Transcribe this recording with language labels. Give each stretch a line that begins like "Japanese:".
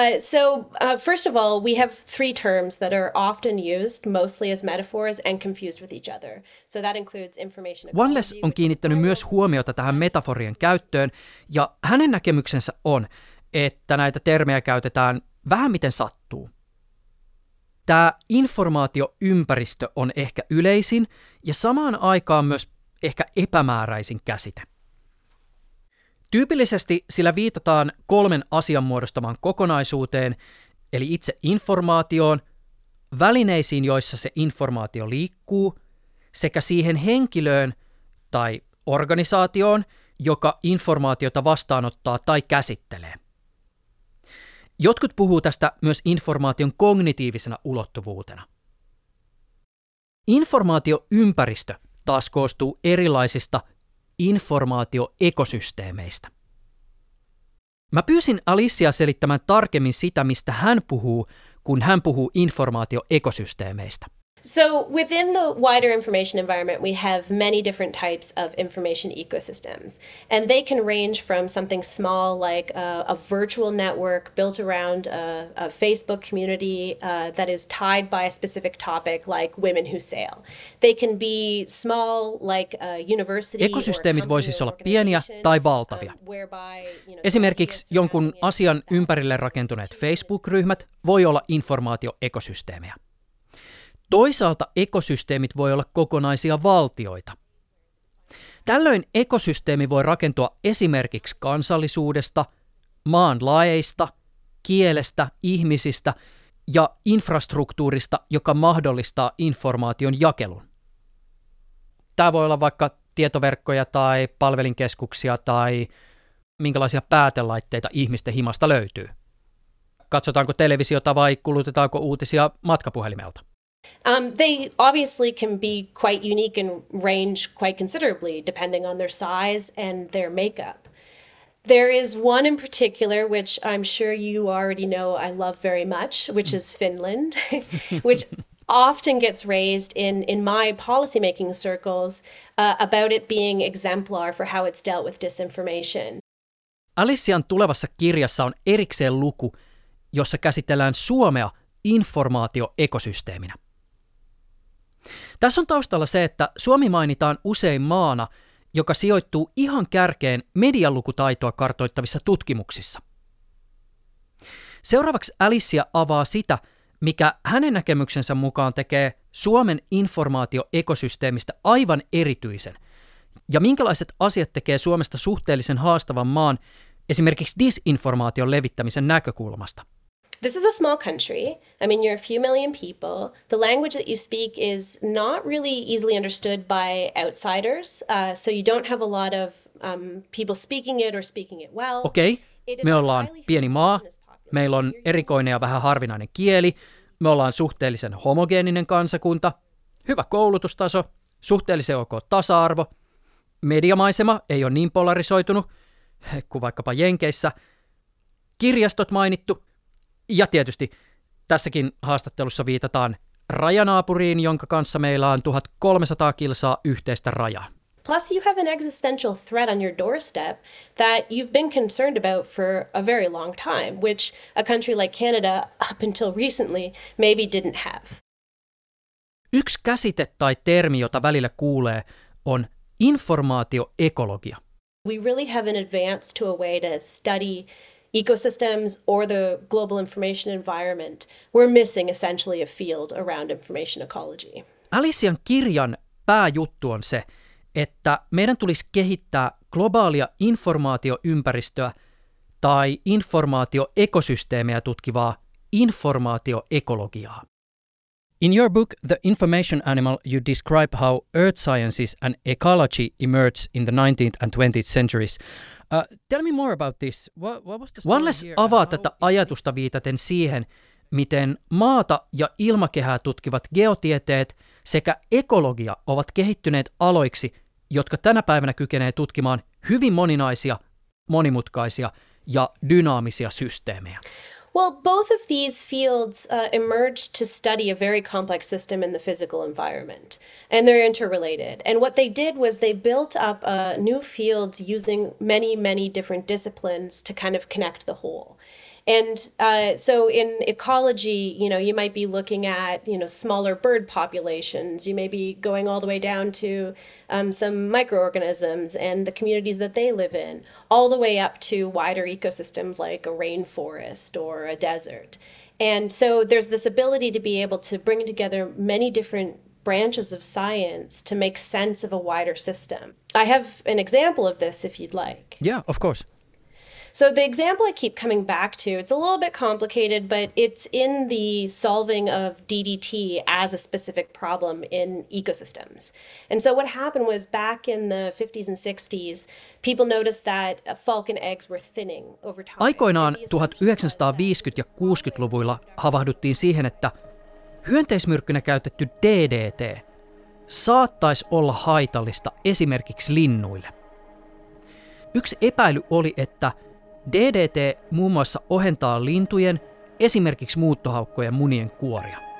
English: So first of all, we have three terms that are often used mostly as metaphors and confused with each other. So that includes information.
Finnish: Wanless on kiinnittänyt myös huomiota tähän metaforien käyttöön, ja hänen näkemyksensä on, että näitä termejä käytetään vähän miten sattuu. Tämä informaatioympäristö on ehkä yleisin ja samaan aikaan myös ehkä epämääräisin käsite. Tyypillisesti sillä viitataan kolmen asian muodostamaan kokonaisuuteen, eli itse informaatioon, välineisiin, joissa se informaatio liikkuu, sekä siihen henkilöön tai organisaatioon, joka informaatiota vastaanottaa tai käsittelee. Jotkut puhuu tästä myös informaation kognitiivisena ulottuvuutena. Informaatioympäristö taas koostuu erilaisista informaatioekosysteemeistä. Mä pyysin Alicia selittämään tarkemmin sitä, mistä hän puhuu, kun hän puhuu informaatioekosysteemeistä.
English: So within the wider information environment, we have many different types of information ecosystems, and they can range from something small like a virtual network built around a Facebook community that is tied by a specific topic like women who sail. They can be small like a university.
Finnish: Ekosysteemit voi siis olla pieniä tai valtavia. Esimerkiksi jonkun asian ympärille rakentuneet Facebook-ryhmät voi olla informaatioekosysteemejä. Toisaalta ekosysteemit voi olla kokonaisia valtioita. Tällöin ekosysteemi voi rakentua esimerkiksi kansallisuudesta, maan lajeista, kielestä, ihmisistä ja infrastruktuurista, joka mahdollistaa informaation jakelun. Tämä voi olla vaikka tietoverkkoja tai palvelinkeskuksia tai minkälaisia päätelaitteita ihmisten himasta löytyy. Katsotaanko televisiota vai kulutetaanko uutisia matkapuhelimelta?
English: They obviously can be quite unique and range quite considerably depending on their size and their makeup. There is one in particular which I'm sure you already know I love very much, which is Finland, which often gets raised in my policymaking circles about it being exemplar for how it's dealt with disinformation.
Finnish: Alician tulevassa kirjassa on erikseen luku, jossa käsitellään Suomea informaatioekosysteeminä. Tässä on taustalla se, että Suomi mainitaan usein maana, joka sijoittuu ihan kärkeen medialukutaitoa kartoittavissa tutkimuksissa. Seuraavaksi Alicia avaa sitä, mikä hänen näkemyksensä mukaan tekee Suomen informaatioekosysteemistä aivan erityisen, ja minkälaiset asiat tekee Suomesta suhteellisen haastavan maan esimerkiksi disinformaation levittämisen näkökulmasta.
English: This is a small country. I mean, you're a few million people. The language that you speak is not really easily understood by outsiders. So you don't have a lot of people speaking it or speaking it well.
Finnish: Okei, me ollaan pieni maa. Meillä on erikoinen ja vähän harvinainen kieli. Me ollaan suhteellisen homogeeninen kansakunta. Hyvä koulutustaso. Suhteellisen ok tasa-arvo. Mediamaisema ei ole niin polarisoitunut kuin vaikkapa Jenkeissä. Kirjastot mainittu. Ja tietysti tässäkin haastattelussa viitataan rajanaapuriin, jonka kanssa meillä on 1300 kilsaa yhteistä rajaa.
English: Plus you have an existential threat on your doorstep that you've been concerned about for a very long time, which a country like Canada up until recently maybe didn't have.
Finnish: Yksi käsite tai termi, jota välillä kuulee, on informaatioekologia.
English: We really have an advance to a way to study ecosystems or the global information environment, we're missing essentially a field around information ecology.
Finnish: Alician kirjan pääjuttu on se, että meidän tulisi kehittää globaalia informaatioympäristöä tai informaatioekosysteemejä tutkivaa informaatioekologiaa.
English: In your book, The Information Animal, you describe how earth sciences and ecology emerged in the 19th and 20th centuries. Tell me more about this. What was the story?
Finnish: Wanless avaa tätä ajatusta viitaten siihen, miten maata ja ilmakehää tutkivat geotieteet sekä ekologia ovat kehittyneet aloiksi, jotka tänä päivänä kykenevät tutkimaan hyvin moninaisia, monimutkaisia ja dynaamisia systeemejä.
English: Well, both of these fields emerged to study a very complex system in the physical environment, and they're interrelated. And what they did was they built up a new field using many, many different disciplines to kind of connect the whole. And so in ecology, you know, you might be looking at, you know, smaller bird populations. You may be going all the way down to some microorganisms and the communities that they live in, all the way up to wider ecosystems like a rainforest or a desert. And so there's this ability to be able to bring together many different branches of science to make sense of a wider system. I have an example of this, if you'd like. Yeah, of course. So the example I keep coming back to, it's a little bit complicated, but it's in the solving of DDT as a specific problem in ecosystems. And so what happened was back in the 50s and 60s, people noticed that falcon eggs were thinning over time.
Finnish: Aikoinaan 1950- ja 60-luvuilla havahduttiin siihen, että hyönteismyrkkynä käytetty DDT saattaisi olla haitallista esimerkiksi linnuille. Yksi epäily oli, että DDT muun muassa ohentaa lintujen, esimerkiksi muuttohaukkojen munien kuoria.